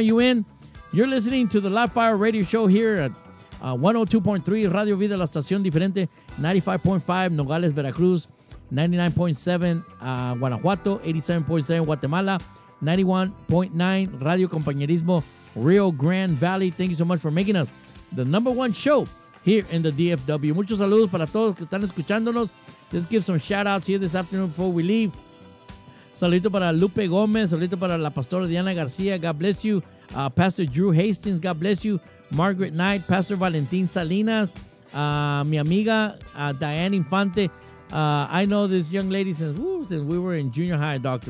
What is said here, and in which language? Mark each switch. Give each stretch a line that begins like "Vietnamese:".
English: Are you in? You're listening to the Live Fire Radio Show here at 102.3 Radio Vida, La Estación Diferente, 95.5 Nogales, Veracruz, 99.7 Guanajuato, 87.7 Guatemala, 91.9 Radio Compañerismo, Rio Grande Valley. Thank you so much for making us the number one show here in the DFW.
Spanish: Muchos saludos para todos que están escuchándonos.
English: Let's give some shout-outs here this afternoon before we leave.
Spanish: Saludito para
English: Lupe Gomez.
Spanish: Saludito para la Pastora
English: Diana Garcia. God bless you. Pastor Drew Hastings, God bless you. Margaret Knight, Pastor Valentin Salinas,
Spanish: mi amiga
English: Diane Infante. I know this young lady since we were in junior high, Dr.